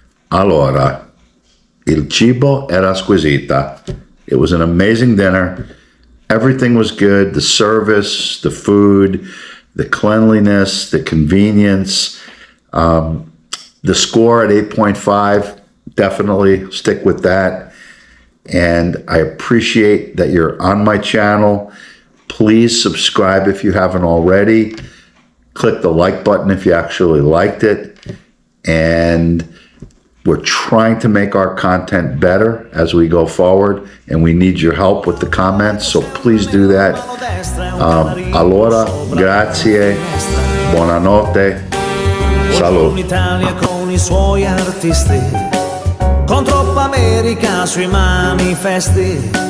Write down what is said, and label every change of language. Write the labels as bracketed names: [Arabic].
[Italian] Allora, il cibo era squisita. [English] It was an amazing dinner. Everything was good. The service, the food, the cleanliness, the convenience. The score at 8.5, definitely stick with that. And I appreciate that you're on my channel. Please subscribe if you haven't already. Click the like button if you actually liked it. And We're trying to make our content better as we go forward, and we need your help with the comments, so please do that. [Italian] Allora, grazie, buonanotte, salut. Italia con i suoi artisti, con troppa America sui manifesti.